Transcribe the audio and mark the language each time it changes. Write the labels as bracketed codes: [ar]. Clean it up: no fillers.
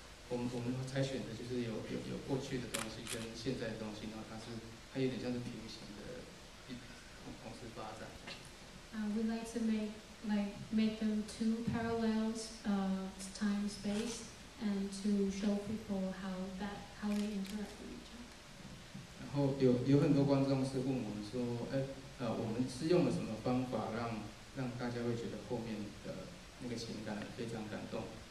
[zh] 我们才选的就是有过去的东西跟现在的东西，然后它有点像是平行的，同时发展。 [en] We like to make them two parallels, time space, and to show people how they interact with each other. [zh] 然后有很多观众是问我们说，我们是用了什么方法让大家会觉得后面的那个情感非常感动。